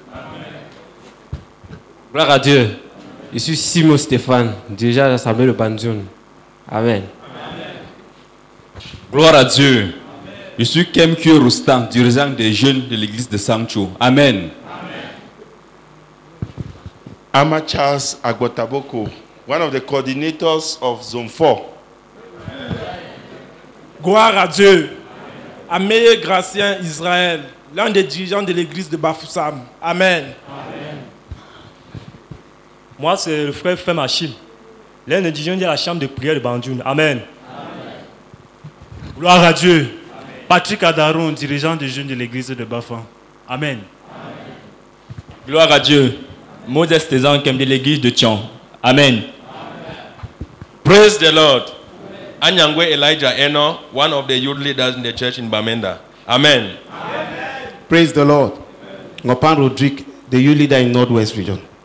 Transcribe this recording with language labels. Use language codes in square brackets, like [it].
[fr] Amen. Gloire à Dieu. Je suis Simo Stéphane, déjà à l'Assemblée de Banjoun. Amen. Amen. Gloire à Dieu. Amen. Je suis Kem Kyo Roustan, dirigeant des jeunes de l'église de Sancho. Amen. Amen. [en] Ama Charles Agwotaboko, one of the coordinators of Zone 4. Amen. [fr] Gloire à Dieu. Amen. Ameye Gracien Israël, l'un des dirigeants de l'église de Bafoussam. Amen. Amen. Moi, c'est le frère Femme Achille, l'un des dirigeants de la chambre de prière de Banjoun. Amen. Amen. Gloire à Dieu. Amen. Patrick Adaron, dirigeant des jeunes de l'église de Bafan. Amen. Amen. Gloire à Dieu. Moses Tézan, qui est de l'église de Tion. Amen. Amen. [en] Praise the Lord. Amen. Anyangwe Elijah Eno, one of the youth leaders in the church in Bamenda. Amen. Amen. Praise the Lord. Ngopan Rodrick, the youth leader in Northwest region.